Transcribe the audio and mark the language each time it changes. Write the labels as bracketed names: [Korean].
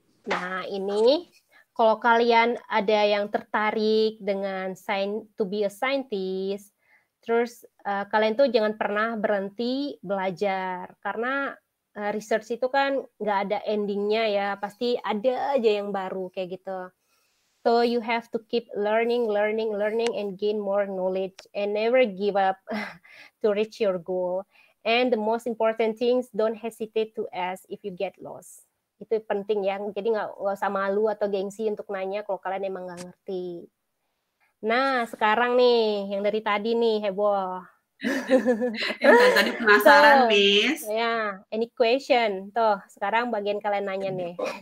[Indonesian] Nah, ini kalau kalian ada yang tertarik dengan to be a scientist, terus kalian tuh jangan pernah berhenti belajar. Karena research itu kan nggak ada endingnya ya, pasti ada aja yang baru kayak gitu. [English] So you have to keep learning and gain more knowledge and never give up to reach your goal. And the most important things, don't hesitate to ask if you get lost. [Indonesian] itu penting ya. Jadi nggak usah malu atau gengsi untuk nanya kalau kalian emang nggak ngerti. Nah sekarang nih yang dari tadi nih heboh. Tadi penasaran, so, Miss. Ya, yeah, [English] any question? [Indonesian] Tuh, sekarang bagian kalian nanya nih.